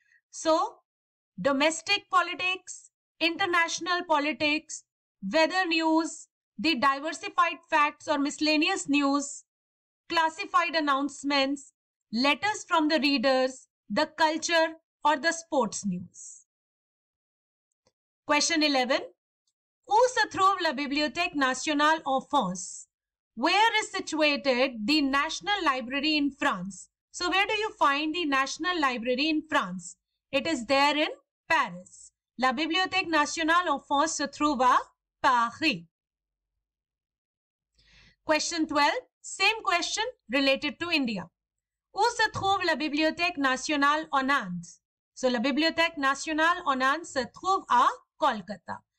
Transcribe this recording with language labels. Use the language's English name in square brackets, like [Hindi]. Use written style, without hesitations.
[English] So, domestic politics, international politics, weather news, the diversified facts or miscellaneous news, classified announcements, letters from the readers, the culture or the sports news. Question 11. [French] Où se trouve la Bibliothèque nationale en France? [English] Where is situated the National Library in France? So where do you find the National Library in France? It is there in Paris. [French] La Bibliothèque nationale en France se trouve à Paris. [English] Question 12. Same question related to India. [French] Où se trouve la Bibliothèque nationale en Inde? So, la Bibliothèque nationale en Inde se trouve à Kolkata.